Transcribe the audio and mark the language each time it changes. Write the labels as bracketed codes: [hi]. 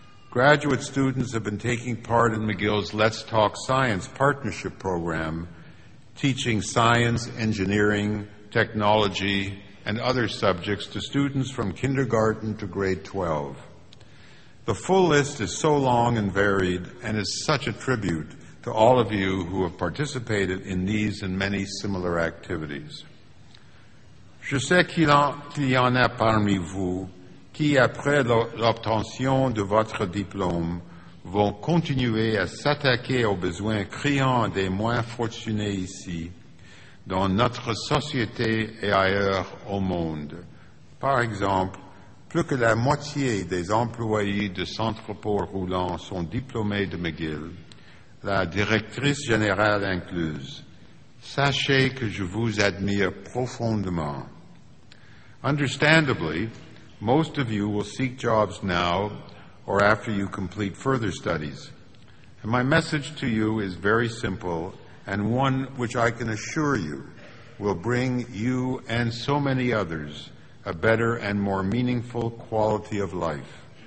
[en] Graduate students have been taking part in McGill's Let's Talk Science partnership program, teaching science, engineering, technology, and other subjects to students from kindergarten to grade 12. The full list is so long and varied and is such a tribute to all of you who have participated in these and many similar activities. [fr] Je sais qu'il y en a parmi vous qui, après l'obtention de votre diplôme, vont continuer à s'attaquer aux besoins criants des moins fortunés ici, dans notre société et ailleurs au monde. Par exemple, plus que la moitié des employés de Centre Paul Roulant sont diplômés de McGill, la directrice générale incluse. Sachez que je vous admire profondément. [en] Understandably, most of you will seek jobs now or after you complete further studies. And my message to you is very simple and one which I can assure you will bring you and so many others a better and more meaningful quality of life.